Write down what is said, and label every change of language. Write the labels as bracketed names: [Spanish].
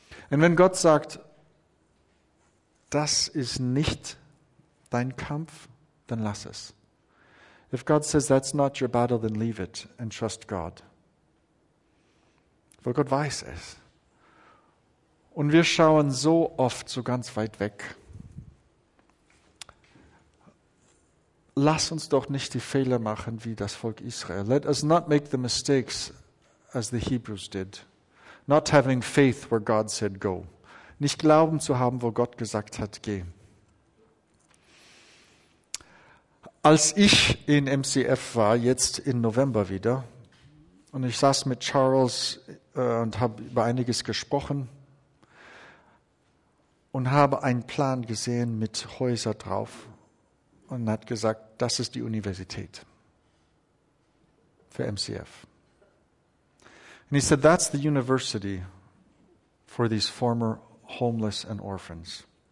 [German] Und wenn Gott sagt, das ist nicht dein Kampf, dann lass es. [English] If God says that's not your battle, then leave it and trust God. [German] Weil Gott weiß es. Und wir schauen so oft so ganz weit weg. Lass uns doch nicht die Fehler machen wie das Volk Israel. [English] Let us not make the mistakes as the Hebrews did. Not having faith where God said go. [German] Nicht glauben zu haben, wo Gott gesagt hat, geh. Als ich in MCF war, jetzt im November wieder, und ich saß mit Charles und habe über einiges gesprochen, und habe einen Plan gesehen mit Häusern drauf und hat gesagt, das ist die Universität für MCF. [English] And he said, that's the university for these former homeless and orphans.